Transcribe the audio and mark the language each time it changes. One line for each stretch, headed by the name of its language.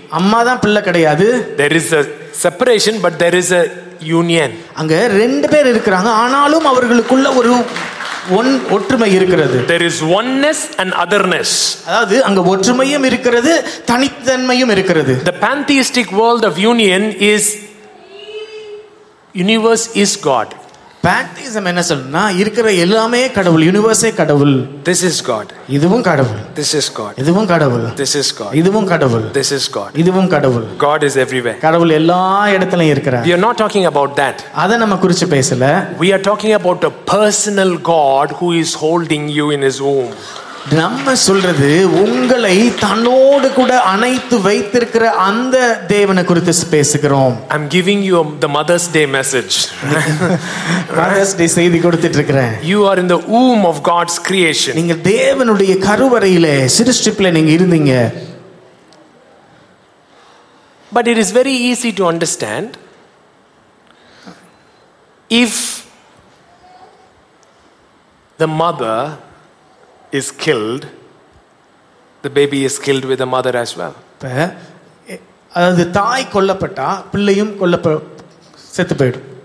Tamil: அம்மா தான் பிள்ளை கிடையாது
English: there is a separation but there is a union
Tamil: அங்க ரெண்டு பேர் இருக்காங்க ஆனாலும் அவங்களுக்குள்ள ஒரு ஒற்றுமை இருக்கிறது
English: there is oneness and otherness
Tamil: அதாவது அங்க ஒற்றுமையும் இருக்கிறது தனித்தன்மையும் இருக்கிறது
English: the pantheistic world of union is universe is god
Tamil: pantheism என்ன சொல்றனா இருக்கிற எல்லாமே கடவுள் யுனிவர்ஸே கடவுள்
English: this is god
Tamil: இதுவும் கடவுள்
English: this is god
Tamil: இதுவும் கடவுள்
English: this is god
Tamil: இதுவும் கடவுள்
English: this is god
Tamil: இதுவும் கடவுள்
English: god is everywhere
Tamil: கடவுள் எல்லா இடத்தலயும் இருக்கறார்
English: we are not talking about that
Tamil: அத நம்ம குறிச்சு பேசல
English: we are talking about a personal god who is holding you in his womb
Tamil: நம்ம சொல்றது உங்களை தன்னோடு கூட அணைத்து வைத்திருக்கிற அந்த தேவனை குறித்து பேசுகிறோம்
English: I'm giving you the Mother's Day message
Tamil: Mother's Day செய்தி கொடுத்துட்டு இருக்கேன்
English: You are in the womb of God's creation
Tamil: நீங்க தேவனுடைய கருவறையிலே சிருஷ்டிப்புல நீங்க இருந்தீங்க
English: But it is very easy to understand if the mother is killed the baby is killed with the mother as well
Tamil: adhu thai kollapatta pillaiyum kollap settu poidum